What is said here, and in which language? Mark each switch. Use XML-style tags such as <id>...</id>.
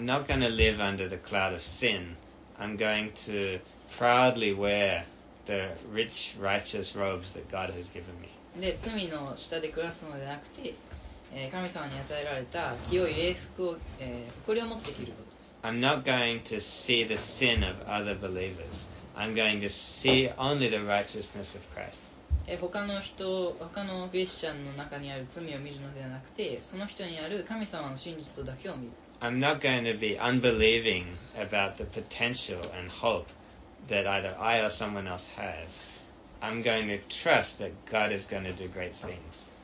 <en>I'm not going to live under the cloud of sin. I'm going to proudly wear the rich, righteous robes that God has given me.</en> <ja>で、罪の下で暮らすのではなくて、神様に与えられた清い礼服を、誇りを持って着ることです。</ja> <en>I'm not going to see the sin of other believers. I'm going to see only the righteousness of Christ.</en> <ja>他のクリスチャンの中にある罪を見るのではなくて、その人にある神様の真実だけを見る。</ja> <en>I'm not going to be unbelieving about the potential and hope that either I or someone else has. I'm going to trust that God is going to do great things.</en>